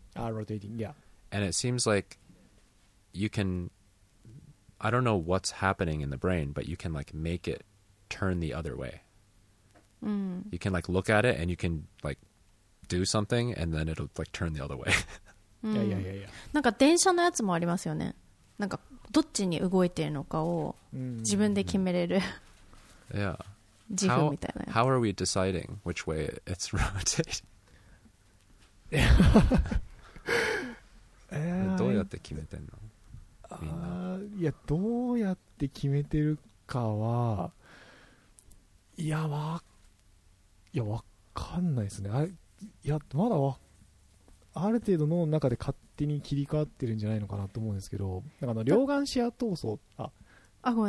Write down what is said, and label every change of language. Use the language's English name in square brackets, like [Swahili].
[English] Rotating, yeah. And it seems like you can, I don't know what's happening in the brain, but you can like make it turn the other way. You can like look at it and you can like do something and then it'll like turn the other way. [Japanese] なんか電車のやつもありますよね。なんかどっちに動いてるのかを自分で決めれる。 [English] Yeah. [Japanese] 自分みたいな。 [English] How are we deciding which way it's rotating? [Japanese] どうやって決めてんの？いや、どうやって決めてるかは、いや、わかんないですね。いや、まだわ、ある程度脳の中で勝手に切り替わってるんじゃないのかなと思うんですけど、なんかあの両眼視野闘争